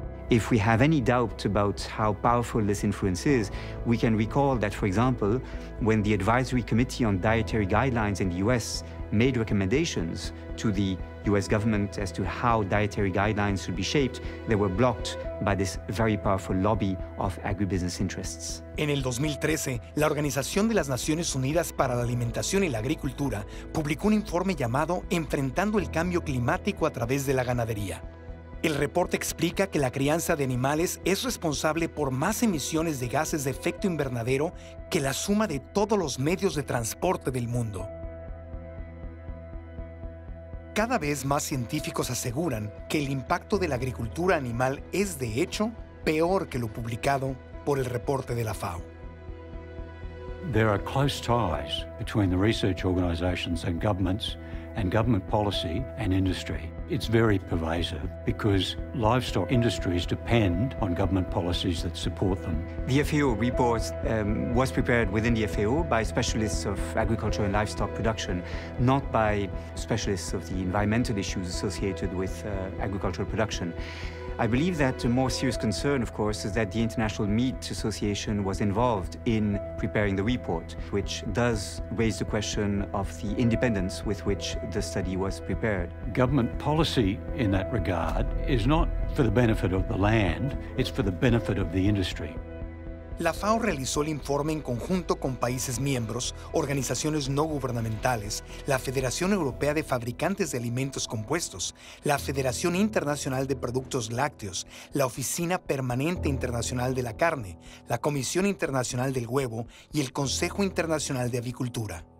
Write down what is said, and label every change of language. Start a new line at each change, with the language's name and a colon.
English: If we have any doubt about how powerful this influence is, we can recall that, for example, when the Advisory Committee on Dietary Guidelines in the US made recommendations to the US government as to how dietary guidelines should be shaped, they were blocked by this very powerful lobby of agribusiness interests.
Spanish: En el 2013, la Organización de las Naciones Unidas para la Alimentación y la Agricultura publicó un informe llamado Enfrentando el Cambio Climático a través de la ganadería. El reporte explica que la crianza de animales es responsable por más emisiones de gases de efecto invernadero que la suma de todos los medios de transporte del mundo. Cada vez más científicos aseguran que el impacto de la agricultura animal es, de hecho, peor que lo publicado por el reporte de la FAO.
English: There are close ties between the research organizations and governments and government policy and industry. It's very pervasive because livestock industries depend on government policies that support them. The FAO report was prepared within the FAO by specialists of agriculture and livestock production, not by specialists of the environmental issues associated with agricultural production. I believe that a more serious concern, of course, is that the International Meat Association was involved in preparing the report, which does raise the question of the independence with which the study was prepared. Government policy in that regard is not for the benefit of the land, it's for the benefit of the industry.
Spanish: La FAO realizó el informe en conjunto con países miembros, organizaciones no gubernamentales, la Federación Europea de Fabricantes de Alimentos Compuestos, la Federación Internacional de Productos Lácteos, la Oficina Permanente Internacional de la Carne, la Comisión Internacional del Huevo y el Consejo Internacional de Avicultura.